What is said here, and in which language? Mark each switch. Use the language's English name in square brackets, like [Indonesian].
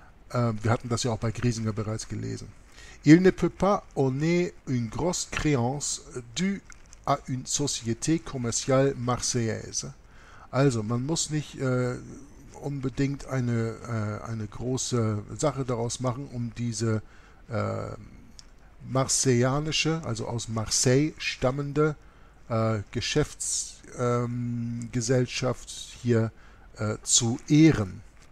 [German] Wir hatten das ja auch bei Griesinger bereits gelesen. [French] Il ne peut pas honorer une grosse créance due à une société commerciale marseillaise. [German] Also, man muss nicht unbedingt eine große Sache daraus machen, um diese marseillanische, also aus Marseille stammende Geschäftsgesellschaft hier zu ehren.